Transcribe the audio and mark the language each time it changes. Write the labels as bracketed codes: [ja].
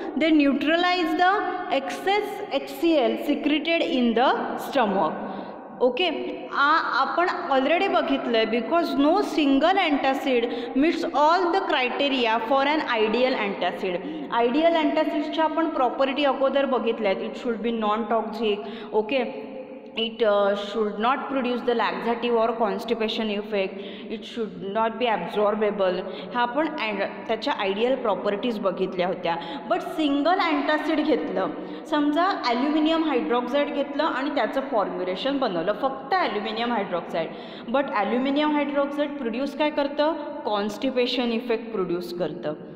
[en] They neutralize the excess H C L secreted in the stomach, okay. [mr] आपण already बघितलं आहे, [en] Because no single antacid meets all the criteria for an ideal antacid. [mr] Ideal अँटासिड्सच्या आपण property अगोदर बघितल्या आहेत. [en] it should be non toxic, [mr] okay, [en] it should not produce the laxative or constipation effect, it should not be absorbable. [mr] ह्या आपण त्याच्या ideal properties बघितल्या होत्या. But single antacid घेतलं, समजा ॲल्युमिनियम हायड्रॉक्साईड घेतलं आणि त्याचं फॉर्म्युलेशन बनवलं, फक्त aluminium hydroxide. But aluminium hydroxide produce काय करतं? कॉन्स्टिपेशन इफेक्ट प्रोड्यूस करतं.